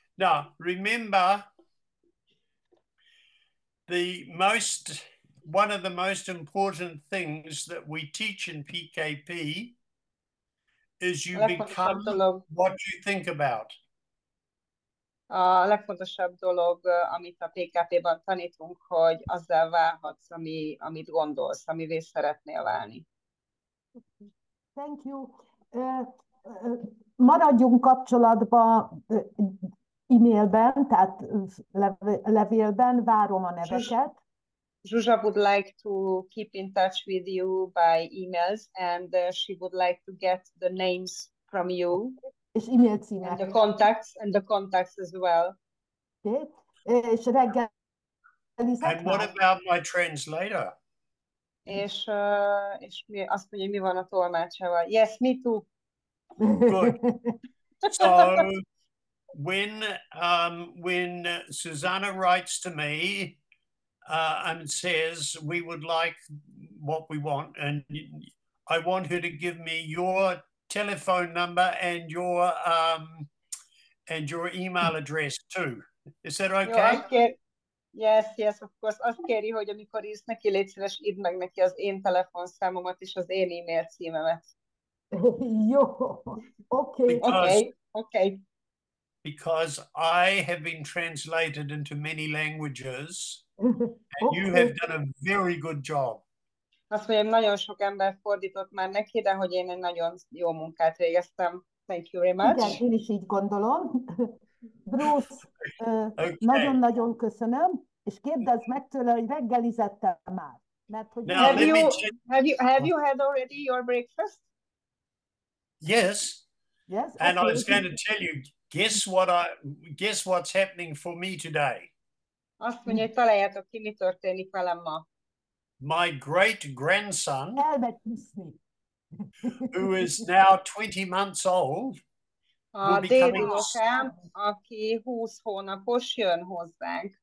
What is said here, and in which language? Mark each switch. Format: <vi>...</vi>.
<en>Now, remember, one of the most important things that we teach in PKP is you become what you think about.</en> <hu>A legfontosabb dolog, amit a PKP-ban tanítunk, hogy azzal válhatsz, amit gondolsz, amivé szeretnél válni.</hu> <en>Thank you.</en> <hu>Maradjunk kapcsolatban e-mailben, tehát levélben, várom a neveket.</hu> <en>Zsuzsa would like to keep in touch with you by emails, and she would like to get the names from you.</en> <hu>És e-mail címek.</hu> <en>And the contacts as well.</en> <hu>Okay. És reggel.</hu> <en>And what about my translator?</en> <hu>És mi azt mondja, mi van a tolmácsával.</hu> <en>Yes, me too. Good. So when Susanna writes to me and says we would like what we want, and I want her to give me your telephone number and your email address too. Is that okay? Yes, of course.</en> <hu>Azt kéri, hogy amikor írsz neki, légy szíves, írd meg neki az én telefonszámomat és az én e-mail címemet. Jó, okay.</hu> <en>Because I have been translated into many languages, and okay. You have done a very good job.</en> <hu>Azt mondjam, nagyon sok ember fordított már neki, de hogy én egy nagyon jó munkát végeztem.</hu> <en>Thank you very much.</en> <hu>Igen, én is így gondolom. Bruce, okay. Nagyon-nagyon köszönöm, és kérdezz meg tőle, hogy reggelizette már. Mert hogy</hu> <en>now, have you had already your breakfast? Yes. Yes. And okay, I was going to tell you, guess what's happening for me today. Azt mondja, hogy találjátok ki, mi történik velem ma. My great grandson,</en> <hu>elbetűzni,</hu> <en>who is now 20 months old,</en> <hu>a dédunokám, aki 20 hónapos, jön hozzánk.</hu>